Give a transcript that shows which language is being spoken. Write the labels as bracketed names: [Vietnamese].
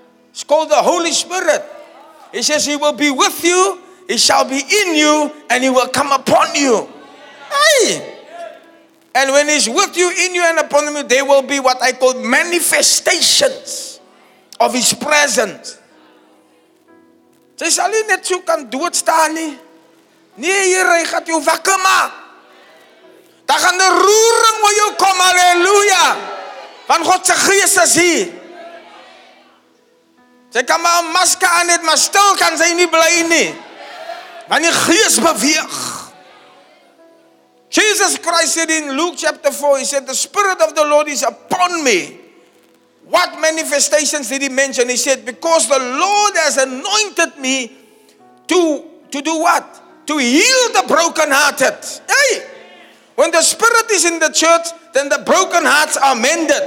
[English] It's called the Holy Spirit. He says he will be with you. He shall be in you. And he will come upon you. Aye. And when he's with you, in you, and upon you, there will be what I call manifestations of his presence. [Afrikaans] Jy sal nie net so kan doodstaan nie. Nee, Here, hy gaat jou wakker maak. Daar gaan die roering oor jou kom, halleluja. Want God se gees is hier. Sy kan maar 'n masker aan het, maar stil kan sy nie bly nie. Want die gees beweeg. [English] Jesus Christ said in Luke chapter 4, he said, the Spirit of the Lord is upon me. What manifestations did he mention? He said, because the Lord has anointed me to do what? To heal the brokenhearted. Hey! When the Spirit is in the church, then the broken hearts are mended.